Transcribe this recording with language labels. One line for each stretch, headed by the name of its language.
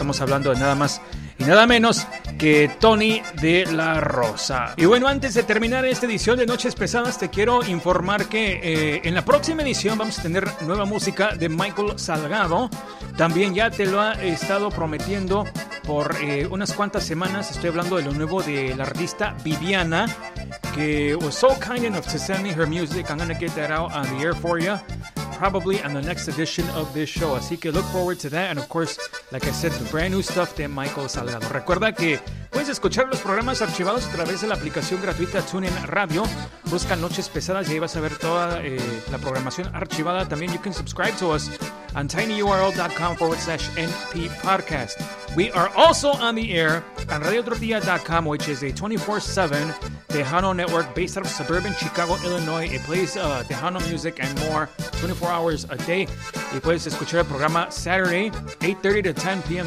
Spanish: Estamos hablando de nada más y nada menos que Tony de la Rosa. Y bueno, antes de terminar esta edición de Noches Pesadas, te quiero informar que en la próxima edición vamos a tener nueva música de Michael Salgado. También ya te lo ha estado prometiendo por unas cuantas semanas. Estoy hablando de lo nuevo de la artista Viviana, que
English: was so kind enough to send me her music. I'm gonna get that out on the air for you, probably on the next edition of this show.
Spanish: Así que
English: look forward to that. And of course, like I said, the brand new stuff de Michael Salgado.
Spanish: Recuerda que puedes escuchar los programas archivados a través de la aplicación gratuita TuneIn Radio. Busca Noches Pesadas y ahí vas a ver toda la programación archivada. También
English: you can subscribe to us on tinyurl.com/NP Podcast. We are also on the air on RadioTortilla.com, which is a 24/7 Tejano network based out of suburban Chicago, Illinois. It plays Tejano music and more 24 hours a day.
Spanish: Y puedes escuchar el programa
English: Saturday, 8:30 to 10 p.m.